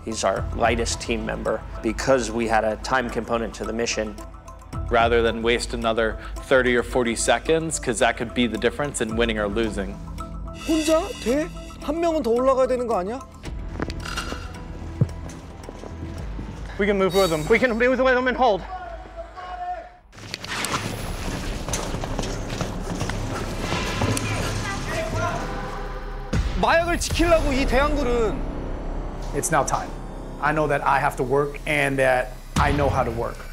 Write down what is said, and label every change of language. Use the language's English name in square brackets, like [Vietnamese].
[English] He's our lightest team member because we had a time component to the mission. Rather than waste another 30 or 40 seconds, because that could be the difference in winning or losing. [Korean] 혼자 돼? 한 명은 더 올라가야 되는 거 아니야? [English] We can move with them. We can move with them and hold. [Korean] 마약을 지키려고 이 대항군은. [English] It's now time. I know that I have to work and that I know how to work.